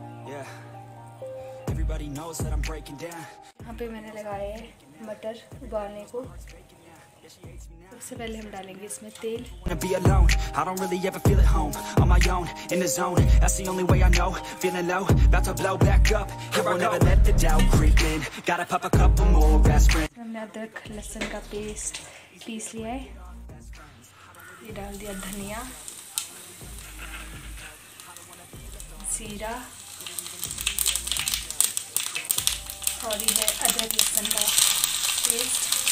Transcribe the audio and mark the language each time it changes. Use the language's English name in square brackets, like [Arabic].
[Hindi] यहाँ पे मैंने लगाए हैं मटर उबालने को. सबसे पहले हम डालेंगे इसमें तेल. [English] Be alone. I don't really ever feel at home. On my own, in the zone. That's the only way I know. Feeling low, about to blow back up. Here I won't ever let the doubt creep in. Gotta pop a couple more aspirin. [Hindi] हमने अदरक लहसुन का paste piece लिया है. ये डाल दिया धनिया, जीरा और ये अदरक लहसुन का पेस्ट.